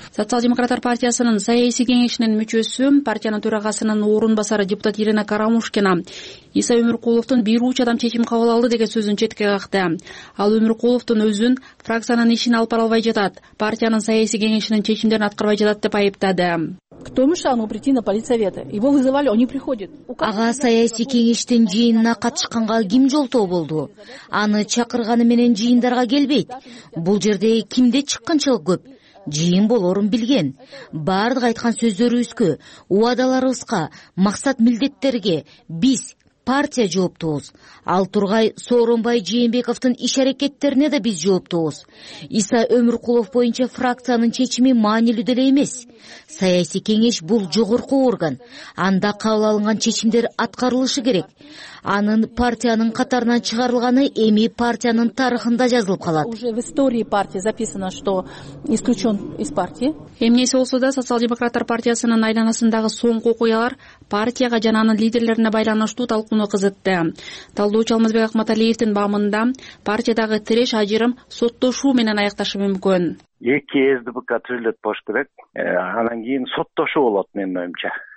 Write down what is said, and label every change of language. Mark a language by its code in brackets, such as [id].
[ky] Социал демократтар партиясынын саясий кеңешинин мүчөсү, партиянын төрагасынын орун басары депутат Ирина Карамушкина Иса Өмүркуловдун бир ууч адам чечим кабыл алды деген сөзүн четке какты. Ал Өмүркуловдун өзүн фракциянын ишин алып бара албай жатат, партиянын саясий кеңешинин чечимдерин аткарбай жатат деп айыптады. [ru] Кто мешал ему прийти на политсовета? Его вызывали, он не приходит. [ky] Ага саясий кеңештин жыйынына катышканга ким жолтоо болду? Аны чакырганы менен жыйындарга келбейт. Бул жерде кимде чыккынчылык көп? Жыйын болорун билген. Бардык айткан сөздөрүбүзгө, убадаларыбызга, максат милдеттерге биз партия жооптуубуз. Ал тургай Сооронбай Жээнбековдун иш аракеттерине да биз жооптуубуз. Иса Өмүркулов боюнча фракциянын чечими маанилүү деле эмес. Саясий кеңеш бул жогорку орган. Анда кабыл алынган чечимдер аткарылышы керек. Анын партиянын катарынан чыгарылганы эми партиянын тарыхында жазылып калат. [ru] Уже в истории партии записано, что исключен из партии. [ky] Эмнеси болсо да социал-демократтар партиясынын айланасындагы соңку окуялар партияга жана анын лидерлерине байланыштуу талкууну кызытты. Талдоочу Алмазбек Акматалиевдин баамында партиядагы тиреш ажырым соттошуу менен аякташы мүмкүн. Эки СДПК түзүлөт болуш керек, анан кийин соттошуу болот менин оюмча.